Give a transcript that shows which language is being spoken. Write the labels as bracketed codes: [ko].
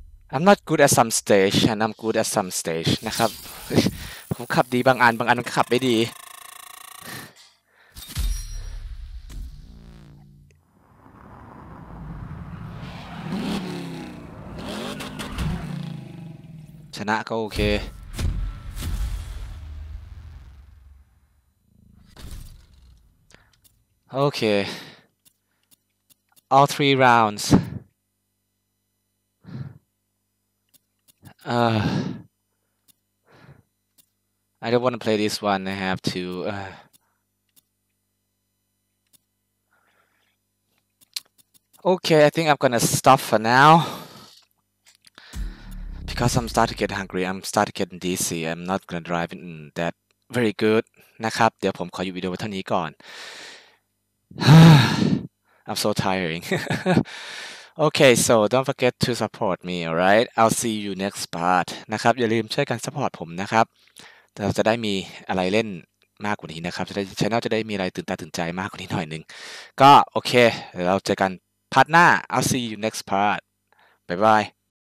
[en] I'm not good at some stage, and I'm good at some stage. [th] นะครับผมขับดีบางอันขับไม่ดี ชนะก็โอเค โอเค [en] All three rounds. I don't want to play this one. I have to. Okay, I think I'm gonna stop for now because I'm starting to get hungry. I'm starting to get dizzy. I'm not gonna drive that very good. [th] นะครับเดี๋ยวผมขอหยุดวิดีโอไว้เท่านี้ก่อน [en] I'm so tiring. Okay, so don't forget to support me. All right, I'll see you next part. [th] นะครับอย่าลืมช่วยกันสปอร์ตผมนะครับเราจะได้มีอะไรเล่นมากกว่านี้นะครับจะได้ channel จะได้มีอะไรตื่นตาตื่นใจมากกว่านี้หน่อยนึงก็โอเคเราเจอกันพาร์ทหน้า [en] I'll see you next part. Bye bye.